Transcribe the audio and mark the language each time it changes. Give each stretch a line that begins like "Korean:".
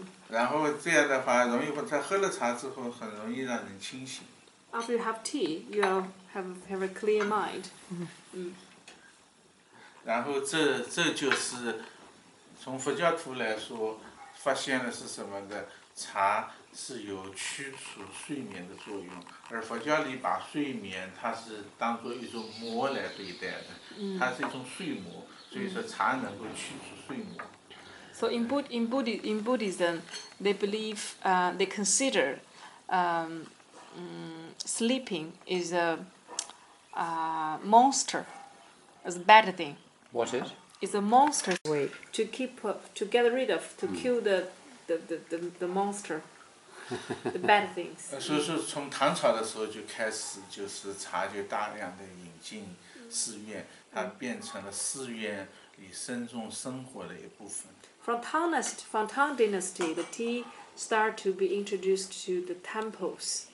Chinese: 然后这样的话，容易在喝了茶之后，很容易让人清醒。
English: After you have tea, you have a clear mind.
Chinese: 然后这就是从佛教徒来说，发现了是什么的。茶是有驱除睡眠的作用，而佛教里把睡眠它是当作一种魔来对待的，它是一种睡魔，所以说茶能够驱除睡魔。
English: So in Buddhism, they believe, they consider, sleeping is a monster, is a bad thing. What is? It's a monster way to get rid of, to kill the monster. the bad things.
Chinese: 所以说从唐朝的时候就开始，就是茶就大量的引进寺院，它变成了寺院里僧众生活的一部分。
English: From Tang Dynasty, the tea started to be introduced to the temples.